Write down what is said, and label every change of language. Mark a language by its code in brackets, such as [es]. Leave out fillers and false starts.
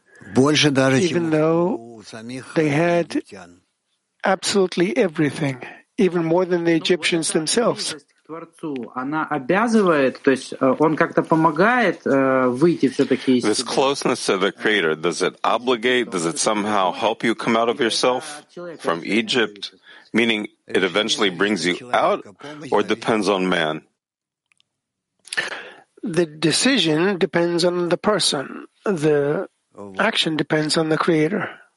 [en] Even though they had absolutely everything, even more than the Egyptians themselves. [ru] Творцу, она обязывает, то есть он как-то помогает выйти все-таки из себя. [en] This closeness to the Creator, does it obligate, does it somehow help you come out of yourself from Egypt, meaning it eventually brings you out, or depends on man? The decision depends on the person. The action depends on the Creator.